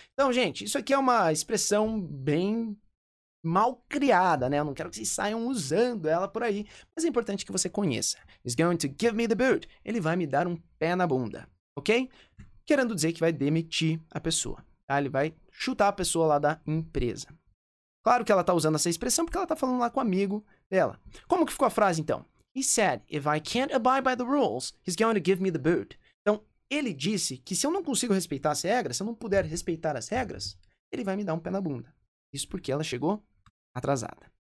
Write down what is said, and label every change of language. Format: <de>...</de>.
<pt>Então, gente, isso aqui é uma expressão bem mal criada, né? Eu não quero que vocês saiam usando ela por aí, mas é importante que você conheça.</pt> <en>He's going to give me the boot.</en> <pt>Ele vai me dar um pé na bunda, ok? Querendo dizer que vai demitir a pessoa, tá? Ele vai chutar a pessoa lá da empresa. Claro que ela tá usando essa expressão porque ela tá falando lá com o amigo dela. Como que ficou a frase, então?</pt> <en>He said, if I can't abide by the rules, he's going to give me the boot.</en> <pt>Então, ele disse que se eu não consigo respeitar as regras, se eu não puder respeitar as regras, ele vai me dar um pé na bunda. Isso porque ela chegou atrasada.</pt>